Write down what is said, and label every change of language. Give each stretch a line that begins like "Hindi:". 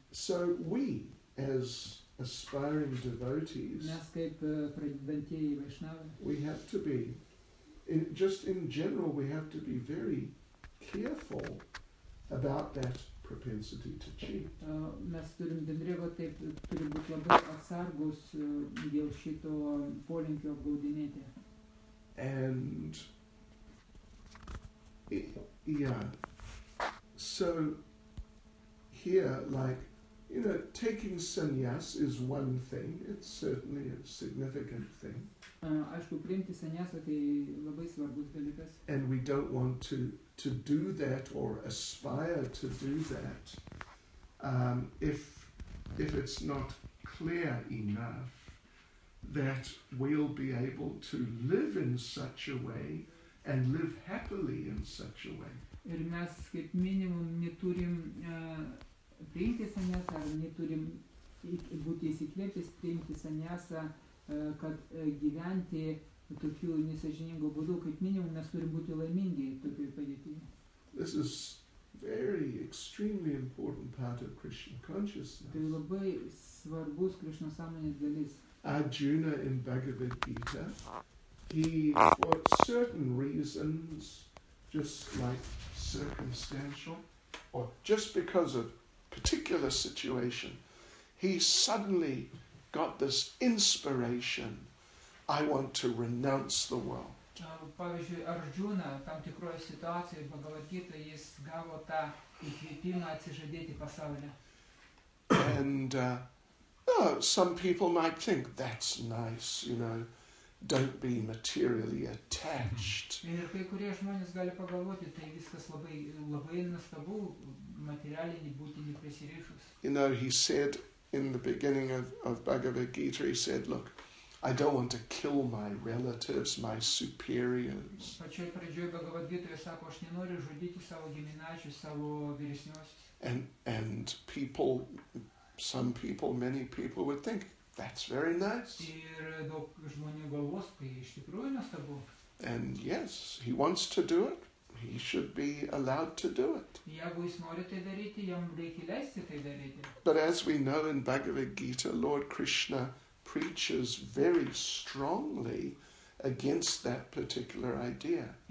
English: So we, as aspiring devotees,
Lithuanian: mes kaip pradedantieji vaišnavai,
English: we have to be, just in general, we have to be very careful about that propensity to cheat.
Lithuanian: Mes turim bendrėvo taip, turi būti labai atsargus dėl šito polinkio apgaudinėti.
English: And, yeah, so here, like, you know, taking sannyas is one thing, it's certainly a significant thing.
Lithuanian: Aišku, priimti sannyasą, tai labai svarbus dalykas.
English: And we don't want to do that or aspire to do that if it's not clear enough that we'll be able to live in such a way and live happily in such a way.
Lithuanian: Ir mes kaip minimum neturim priimti sannyasą, neturim būti įsikvėpęs priimti sannyasą, kad gyventi tokiu nesažiningu būdu, kaip minimum mes turim būti laimingi tokioje padėtyje.
English: This is very extremely important part of Krishna consciousness.
Lithuanian: Tai labai svarbus Krishna sąmonės dalis.
English: Arjuna in Bhagavad Gita, he for certain reasons, just like circumstantial, or just because of particular situation, he suddenly got this inspiration, I want to renounce the world.
Lithuanian: Pavyzdžiui, Arjuna tam tikroje situacijoje Bhagavad Gita, jis gavo tą įkvėpimą atsižadėti pasaulio.
English: And oh, some people might think, that's nice, you know, don't be materially attached.
Lithuanian: Ir kai kurie žmonės gali pagalvoti, tai viskas labai, labai nuostabu, materialiai nebūti neprisirišus.
English: You know, he said in the beginning of Bhagavad Gita, he said, look, I don't want to kill my relatives, my superiors.
Lithuanian: Pačioj pradžioj Bhagavad Gita sako, aš nenoriu žudyti savo giminaičius, savo vyresniuosius.
English: And people, some people, many people would think, that's very nice.
Lithuanian: Ir daug žmonių galvos, kai iš tikrųjų nuostabu.
English: And yes, he wants to do it, he should be allowed to do it.
Lithuanian: Jeigu jis nori tai daryti, jam reikia leisti tai daryti.
English: But as we know in Bhagavad Gita, Lord Krishna preaches very strongly against that particular idea.